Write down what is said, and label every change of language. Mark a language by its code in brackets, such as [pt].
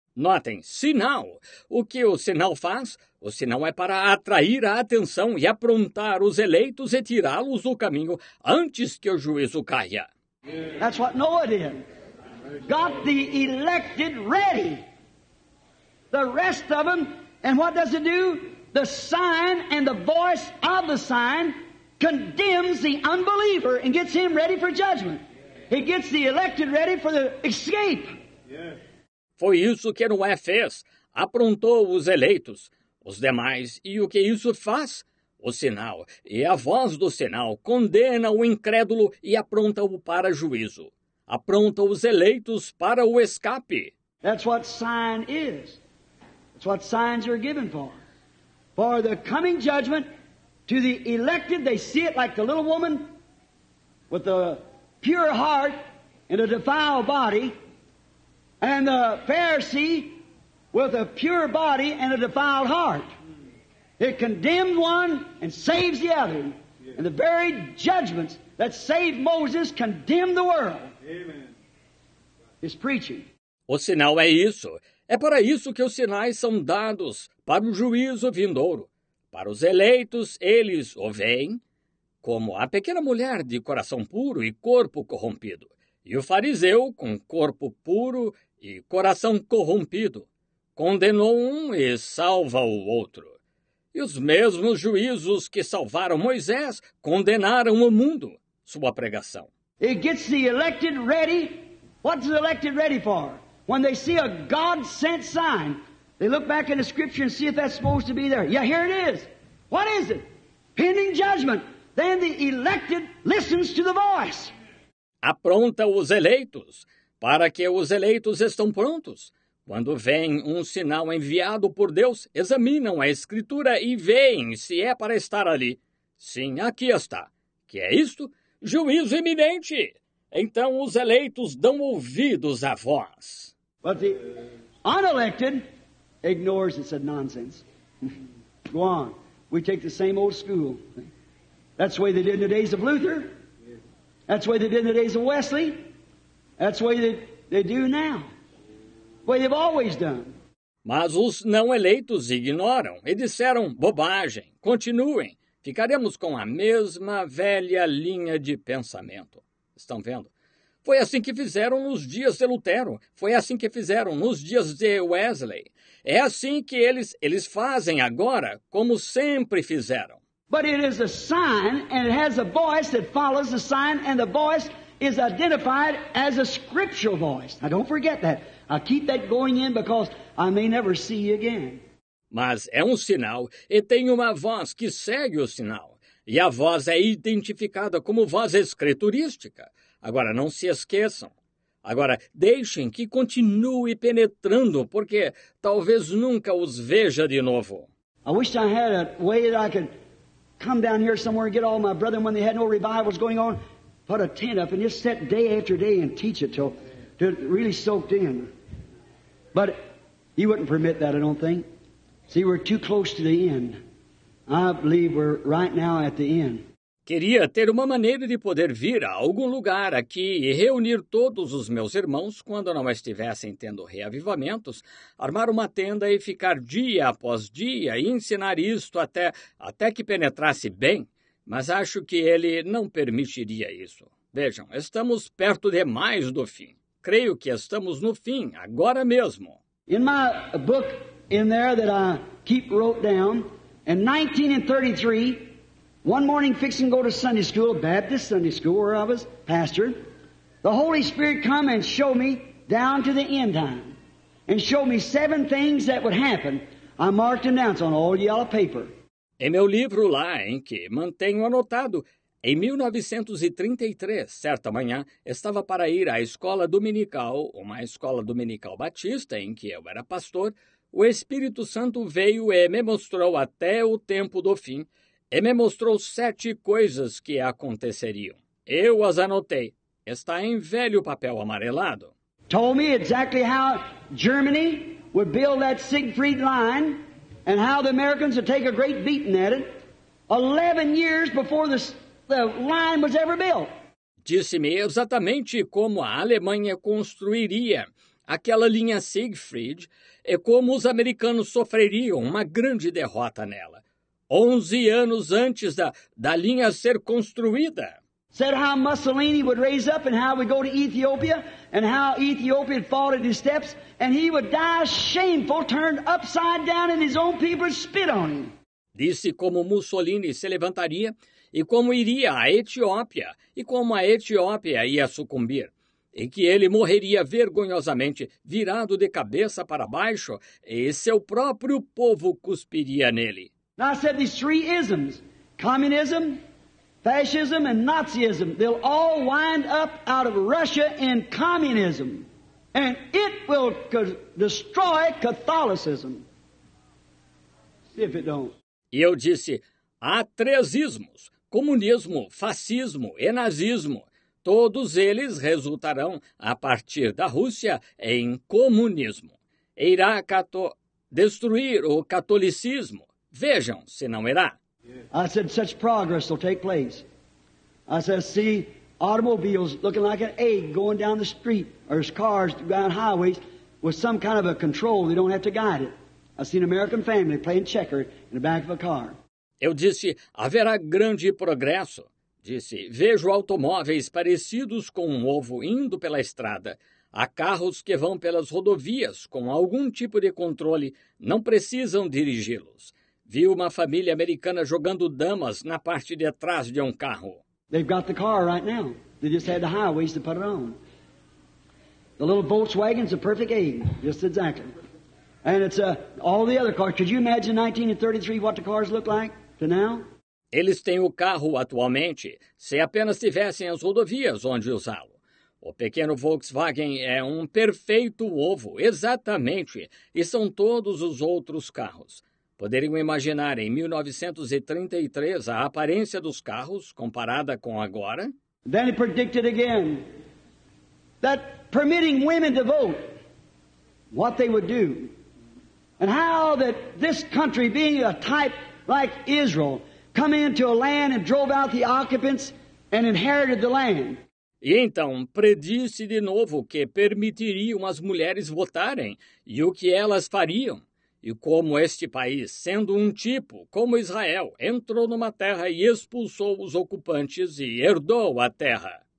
[pt] Notem, sinal. O que o sinal faz? O sinal é para atrair a atenção e aprontar os eleitos e tirá-los do caminho antes que o juízo caia. [en] That's what Noah did. Got the elected ready. The rest of them, and what does it do? The sign and the voice of the sign condemns the unbeliever and gets him ready for judgment. He gets the elected ready for the escape. [pt] Foi isso que Noé fez, aprontou os eleitos, os demais, e o que isso faz? O sinal e a voz do sinal condena o incrédulo e apronta-o para juízo. Apronta os eleitos para o escape. [en] That's what sign is. That's what signs are given for. For the coming judgment to the elected, they see it like the little woman with a pure heart and a defiled body. And the Pharisee with a pure body and a defiled heart. It condemns one and saves the other. And the very judgments that saved Moses condemned the world. Amen. His preaching. [pt] O sinal é isso. É para isso que os sinais são dados, para o juízo vindouro. Para os eleitos, eles o veem como a pequena mulher de coração puro e corpo corrompido. E o fariseu, com corpo puro e coração corrompido, condenou um e salva o outro. E os mesmos juízos que salvaram Moisés condenaram o mundo, sua pregação. [en] It gets the elected ready. What's the elected ready for? When they see a God-sent sign, they look back in the Scripture and see if that's supposed to be there. Yeah, here it is. What is it? Pending judgment. Then the elected listens to the voice. [pt] Apronta os eleitos. Para que os eleitos estão prontos, quando vem um sinal enviado por Deus, examinam a Escritura e veem se é para estar ali. Sim, aqui está. Que é isto? Juízo iminente. Então os eleitos dão ouvidos à voz. [en] But the unelected ignores it, said nonsense. Go on. We take the same old school. That's the way they did in the days of Luther. That's the way they did in the days of Wesley. That's the way they do now. The way they've always done. [pt] Mas os não eleitos ignoram e disseram bobagem. Continuem. Ficaremos com a mesma velha linha de pensamento. Estão vendo? Foi assim que fizeram nos dias de Lutero. Foi assim que fizeram nos dias de Wesley. É assim que eles fazem agora, como sempre fizeram. [en] But it is a sign, and it has a voice that follows the sign, and the voice is identified as a scriptural voice. Now, don't forget that. I'll keep that going in because I may never see you again. [pt] Mas é um sinal e tem uma voz que segue o sinal. E a voz é identificada como voz escriturística. Agora, não se esqueçam. Agora, deixem que continue penetrando, porque talvez nunca os veja de novo. [en] I wish I had a way that I could come down here somewhere and get all my brethren when they had no revivals going on, put a tent up and just set day after day and teach it till it really soaked in. But he wouldn't permit that, I don't think. See, we're too close to the end. I believe we're right now at the end. [pt] Queria ter uma maneira de poder vir a algum lugar aqui e reunir todos os meus irmãos quando não estivessem tendo reavivamentos, armar uma tenda e ficar dia após dia e ensinar isto até que penetrasse bem, mas acho que ele não permitiria isso. Vejam, estamos perto demais do fim. Creio que estamos no fim, agora mesmo. [en] In my book, in there that I keep wrote down, in 1933, one morning fixing to go to Sunday school, Baptist Sunday school where I was pastor, the Holy Spirit come and show me down to the end time and show me seven things that would happen. I marked and down on all yellow paper. [pt] Em meu livro lá, em que mantenho anotado, em 1933, certa manhã, estava para ir à escola dominical, uma escola dominical batista em que eu era pastor. O Espírito Santo veio e me mostrou até o tempo do fim, e me mostrou sete coisas que aconteceriam. Eu as anotei. Está em velho papel amarelado. [en] Told me exactly how Germany would build that Siegfried line and how the Americans would take a great beating at it 11 years before the line was ever built. [pt] Disse-me exatamente como a Alemanha construiria Aquela linha Siegfried é como os americanos sofreriam uma grande derrota nela. 11 anos antes da linha ser construída. [en] Said how Mussolini would raise up and how we go to Ethiopia and how Ethiopia had fallen in his steps and he would die shameful, turned upside down and his own people spit on him. [pt] Disse como Mussolini se levantaria e como iria à Etiópia e como a Etiópia ia sucumbir. E que ele morreria vergonhosamente, virado de cabeça para baixo, e seu próprio povo cuspiria nele. [en] Now I said these three isms, communism, fascism, and Nazism, they'll all wind up out of Russia in communism. And it will destroy Catholicism. See if it don't. [pt] E eu disse, há três ismos, comunismo, fascismo e nazismo. Todos eles resultarão, a partir da Rússia, em comunismo. E irá destruir o catolicismo. Vejam, se não irá. [en] I said such progress will take place. I said, see, automobiles looking like an egg going down the street, or as cars down highways, with some kind of a control, they don't have to guide it. I see an American family playing checkers in the back of a car. [pt] Eu disse, haverá grande progresso. Disse, vejo automóveis parecidos com um ovo indo pela estrada. Há carros que vão pelas rodovias com algum tipo de controle, não precisam dirigi-los. Vi uma família americana jogando damas na parte de trás de um carro. [en] They've got the car right now. They just had the highways to put it on. The little Volkswagen's a perfect age, just exactly. And it's all the other cars. Could you imagine 1933 what the cars look like to now? [pt] Eles têm o carro atualmente, se apenas tivessem as rodovias onde usá-lo. O pequeno Volkswagen é um perfeito ovo, exatamente, e são todos os outros carros. Poderiam imaginar em 1933 a aparência dos carros comparada com agora? [en] Then he predicted again that permitting women to vote, what they would do, and how that this country being a type like Israel come into a land and drove out the occupants and inherited the land. [pt] E então, predisse de novo que permitiriam as mulheres votarem e o que elas fariam. E como este país, sendo um tipo, como Israel, entrou numa terra e expulsou os ocupantes e herdou a terra.